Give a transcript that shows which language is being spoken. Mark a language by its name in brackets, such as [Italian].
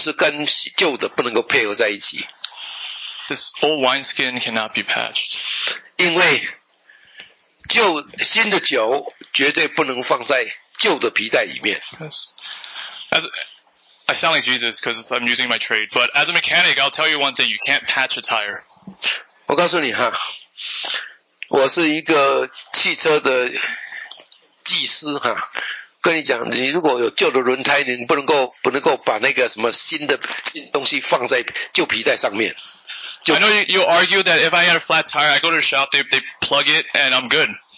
[Chinese] 但是不管如何,纵使你再补,新的总是跟旧的不能够配合在一起。 [English] This old wineskin cannot be patched. [Chinese] 因为旧,新的酒绝对不能放在 [English] As, I sound like Jesus because I'm using my trade, but as a mechanic, I'll tell you one thing, you can't patch a tire. [Chinese] 我告诉你,我是一个汽车的技师,跟你讲,你如果有旧的轮胎,你不能够把那个什么新的东西放在旧皮带上面。 [English] I know you argue that if I had a flat tire, I go to the shop, they plug it, and I'm good.